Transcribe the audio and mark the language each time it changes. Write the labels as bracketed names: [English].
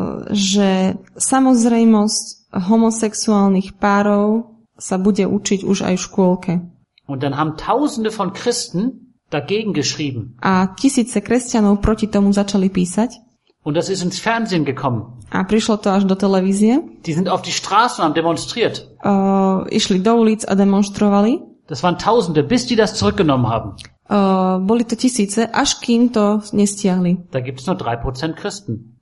[Slovak] Že samozrejmosť homosexuálnych párov sa bude učiť už aj v škôlke. [German] Und dann haben tausende von Christen dagegen geschrieben. [Slovak] A tisíce kresťanov proti tomu začali písať. [German] Und das ist ins Fernsehen gekommen. [Slovak] A prišlo to až do televízie. [German] Die sind auf die Straßen und haben demonstriert. [Slovak] Išli do ulic a demonstrovali. [German] Das waren tausende, bis die das zurückgenommen haben. [Slovak] Boli to tisíce, až kým to nestiahli. [German] Da gibt's nur 3% Christen.